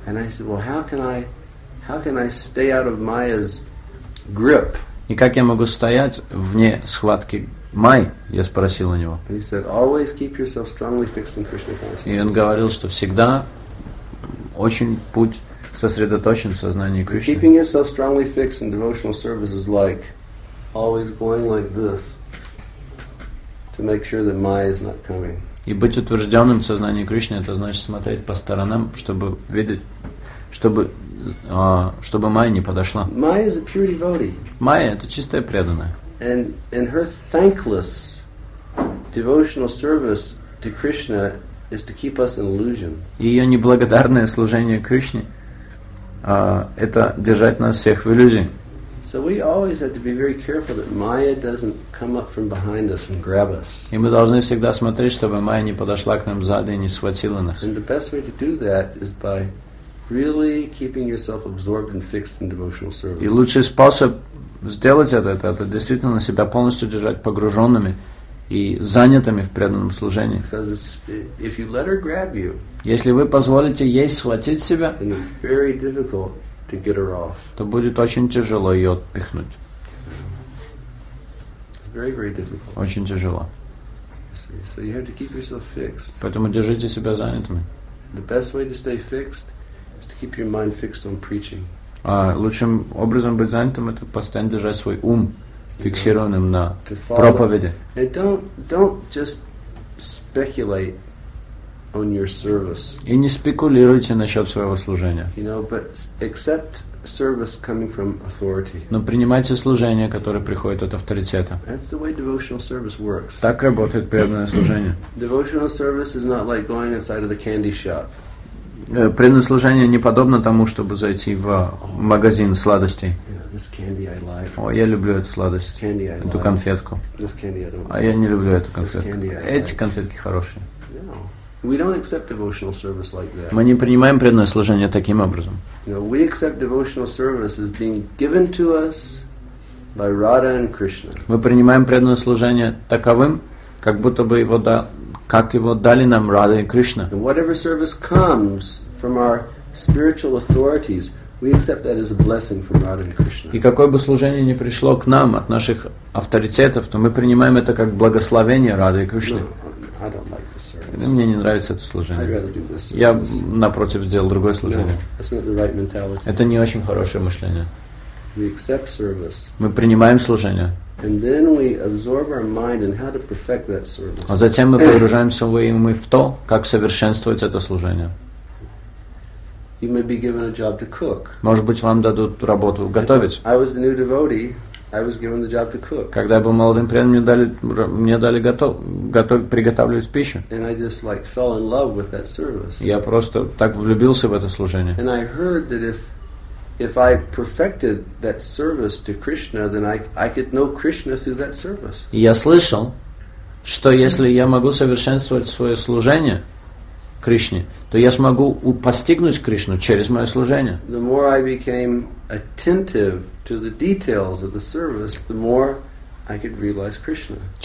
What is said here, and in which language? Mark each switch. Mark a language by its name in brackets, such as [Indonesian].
[Russian] И я сказал, [English] How can I stay out of Maya's grip? [Russian] И как я могу стоять вне схватки Май, я спросил у него. [English] He said, always keep yourself strongly fixed in Krishna consciousness. [Russian] И он говорил, что всегда очень путь сосредоточен в сознании Кришны. [English] Keeping yourself strongly fixed in devotional service is like always going like this to make sure that Maya is not coming. [Russian] И быть утвержденным в сознании Кришны, это значит смотреть по сторонам, чтобы видеть, чтобы Майя не подошла. [English] Maya is a pure devotee. [Russian] Майя — это чистая преданная. [English] And her thankless devotional service to Krishna is to keep us in illusion. [Russian] Ее неблагодарное служение Кришне — это держать нас всех в иллюзии. [English] So we always have to be very careful that Maya doesn't come up from behind us and grab us. [Russian] И мы должны всегда смотреть, чтобы Майя не подошла к нам сзади и не схватила нас. [English] And the best way to do that is by really keeping yourself absorbed and fixed in devotional service. [Russian] И лучший способ сделать это действительно себя полностью держать погруженными и занятыми в преданном служении. [English] Because if you let her grab you, [Russian] если вы позволите ей схватить себя, [English] then it's very difficult to get her off. [Russian] То будет очень тяжело ее отпихнуть. [English] It's very, very difficult. [Russian] Очень тяжело. [English] So you have to keep yourself fixed. [Russian] Поэтому держите себя занятыми. [English] The best way to stay fixed is to keep your mind fixed on preaching. [Russian] Лучшим образом быть занятым — это постоянно держать свой ум фиксированным на проповеди. [English] Don't just speculate on your service. [Russian] И не спекулируйте насчет своего служения. [English] You know, but accept service coming from authority. [Russian] Но принимайте служение, которое приходит от авторитета. [English] That's the way devotional service works. [Russian] Так работает преданное служение. [English] Devotional service is not like going inside of the candy shop. [Russian] Преданное служение не подобно тому, чтобы зайти в магазин сладостей. Я люблю эту сладость, эту конфетку. А я не люблю эту конфетку. Эти конфетки хорошие. [English] We don't accept devotional service like that. [Russian] Мы не принимаем преданное служение таким образом. [English] No, we accept devotional service as being given to us by Radha and Krishna. [Russian] Мы принимаем преданное служение таковым, как будто бы его да. Как его дали нам Рада и Кришна. [English] And whatever service comes from our spiritual authorities, we accept that as a blessing from Rada and Krishna. [Russian] И какое бы служение ни пришло к нам от наших авторитетов, то мы принимаем это как благословение Рады и Кришны. [English] No, I don't like this service. [Russian] Мне не нравится это служение. [English] I'd rather do this service. [Russian] Я напротив сделал другое служение. [English] No, that's not the right mentality. [Russian] Это не очень хорошее мышление. [English] We accept service. [Russian] Мы принимаем служение. [English] And then we absorb our mind in how to perfect that service. [Russian] А затем мы погружаемся в умы в то, как совершенствовать это служение. [English] You may be given a job to cook. [Russian] Может быть, вам дадут работу готовить. [English] I was a new devotee. I was given the job to cook. [Russian] Когда я был молодым преданным, мне дали приготавливать пищу. [English] And I just like fell in love with that service. [Russian] Я просто так влюбился в это служение. [English] And I heard that if I perfected that service to Krishna, then I could know Krishna through that service. [Russian] Я слышал, что если я могу совершенствовать свое служение Кришне, то я смогу постигнуть Кришну через мое служение. [English] The more I became attentive to the details of the service, the more I could realize Krishna.